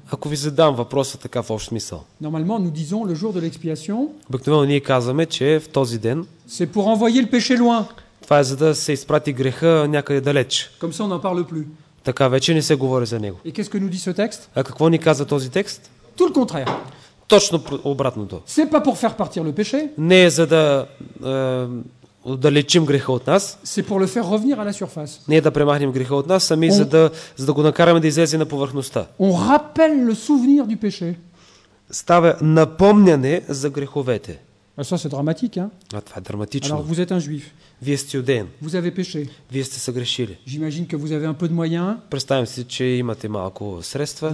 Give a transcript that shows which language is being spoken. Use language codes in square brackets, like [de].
[bg] Ако ви задам въпроса така в общ смисъл. [fr] Normalement, nous disons le jour de l'expiation. [bg] Обикновено ние казваме, че в този ден. [fr] C'est pour envoyer le péché loin. [bg] Това е за да се изпрати греха някъде далеч. [fr] Comme ça, on n'en parle plus. [bg] Така вече не се говори за него. [fr] Et qu'est-ce que nous dit ce texte? [bg] А какво ни казва този текст? [fr] Tout le contraire. [bg] Точно обратното. [fr] C'est pas pour faire partir le péché. [bg] Не е за да отдалечим греха от нас. [fr] C'est pour le faire revenir à la surface. [bg] Не е да премахнем греха от нас, ами за да го накараме да излезе на повърхността. [fr] On rappelle le souvenir du péché. [bg] Става напомняне за греховете. [fr] А ça, c'est dramatique, hein? [bg] А това е драматично. [fr] Alors, vous êtes un juif. [bg] Вие сте юден. [fr] Vous avez péché. [bg] Вие сте съгрешили. [fr] J'imagine que vous avez un peu de moyens. [bg] Представям си, че имате малко средства.